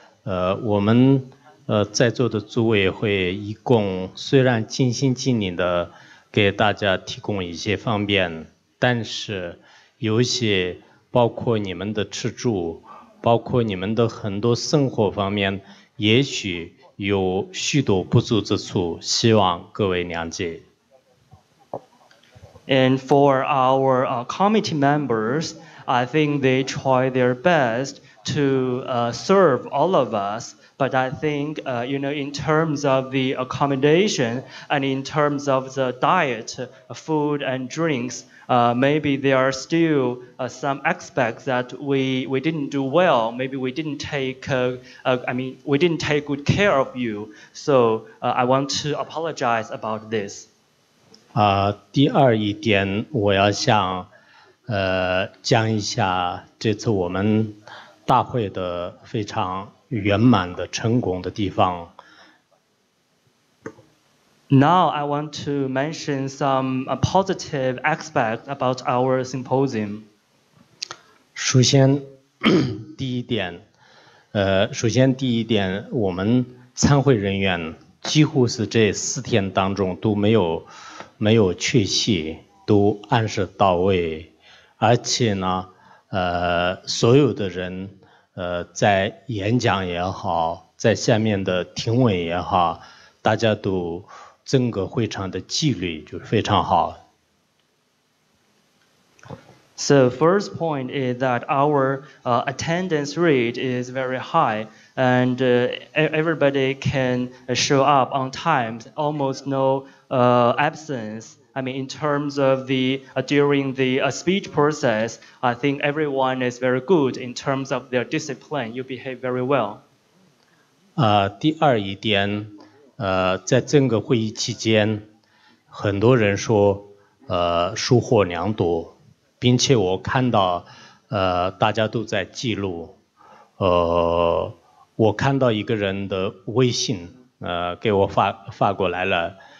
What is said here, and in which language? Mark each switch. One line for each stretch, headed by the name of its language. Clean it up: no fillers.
Chinese: 我们在座的组委会一共虽然尽心尽力的给大家提供一些方便，但是有些包括你们的吃住，包括你们的很多生活方面，也许有许多不足之处，希望各位谅解。
English: And for our committee members, I think they try their best. To serve all of us, but I think, you know, in terms of the accommodation and in terms of the diet, food and drinks, maybe there are still some aspects that we didn't do well. Maybe we didn't take, we didn't take good care of you. So I want to apologize about this.
Chinese: 第二一点，我要想，讲一下这次我们。大会的非常圆满的成功的地方。
English: Now I want to mention some positive aspects about our symposium.
Chinese: 首先，第一点，我们参会人员几乎是这四天当中都没有缺席，都按时到位，而且呢，所有的人。在演讲也好，在下面的听闻也好，大家都整个会场的纪律就非常好。
English: So first point is that our attendance rate is very high, and everybody can show up on time, almost no absence. I mean, in terms of the, during the speech process, I think everyone is very good in terms of their discipline. You behave very well.
Chinese: 第二一点，在整个会议期间，很多人说，收获良多，并且我看到，大家都在记录，我看到一个人的微信，给我发过来了，